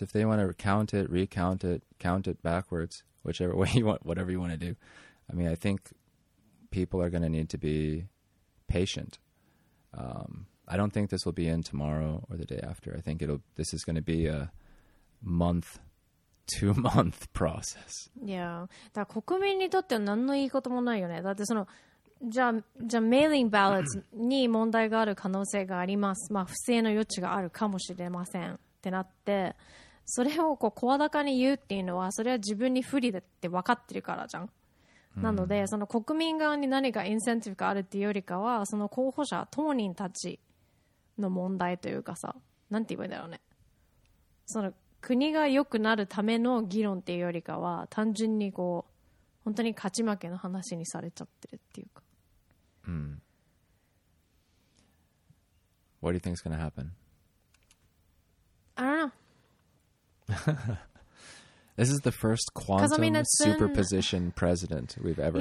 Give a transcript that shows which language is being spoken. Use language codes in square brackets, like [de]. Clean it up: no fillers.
[en] If they want to count it, recount it, count it backwards, whichever way you want, whatever you want to do. I mean, I think people are going to need to be patient. I don't think this will be in tomorrow or the day after. I think this is going to be a month, 2 month process. Yeah. [ja] だから国民にとっては何のいいこともないよね。だってその、じゃあ、メイリングバレットに問題がある可能性があります。まあ、不正の余地があるかもしれませんってなって、それをこう、声高に言うっていうのは、それは自分に不利だって分かってるからじゃん。なので、その国民側に何かインセンティブがあるっていうよりかは、その候補者当人たちの問題というかさ、なんて言えばいいんだろうね、その国が良くなるための議論っていうよりかは、単純にこう本当に勝ち負けの話にされちゃってるっていうか。 [en] What do you think is going to happen? I don't know. This is the first quantum superposition president we've ever